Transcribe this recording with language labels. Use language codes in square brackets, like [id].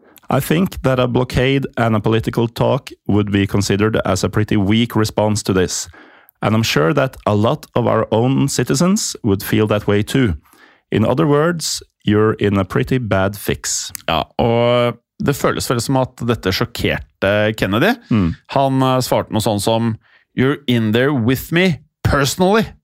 [en] I think that a blockade and a political talk would be considered as a pretty weak response to this. And I'm sure that a lot of our own citizens would feel that way too. In other words, you're in a pretty bad fix. [no] Ja, og det føles vel som at dette sjokkerte Kennedy. Mm. Han svarte noe sånn som, [en] you're in there with me personally.